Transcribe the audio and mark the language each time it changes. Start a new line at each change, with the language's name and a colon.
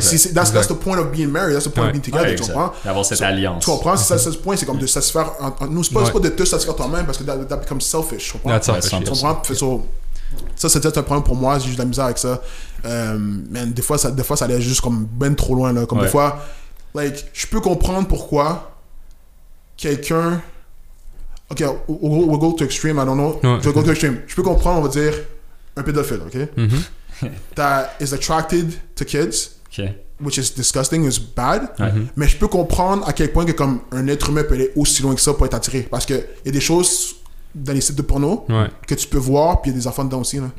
English: c'est, that's the point of being married, that's the point ouais. of being together, ouais,
French: tu comprends? D'avoir cette alliance. Tu comprends? C'est ça, ce point, c'est comme de satisfaire. Nous, c'est pas de te satisfaire toi-même parce que
English: that becomes selfish,
French: tu comprends?
English: That's selfish.
French: Tu comprends? Ça, c'était un problème pour moi, j'ai juste de la misère avec ça. Mais des fois, ça allait juste comme ben trop loin, là. Comme ouais. des fois, like, je peux comprendre pourquoi quelqu'un.
English: Ok, we'll go to extreme, I don't know. Ouais. We'll go to extreme.
French: Je peux comprendre, on va dire, un pédophile, ok? Mm-hmm.
English: That is attracted to kids, okay. which is disgusting, is bad. Mm-hmm.
French: Mais je peux comprendre à quel point que, comme un être humain peut aller aussi loin que ça pour être attiré. Parce qu'il y a des choses dans les sites de porno ouais. que tu peux voir, puis il y a des enfants dedans aussi, là.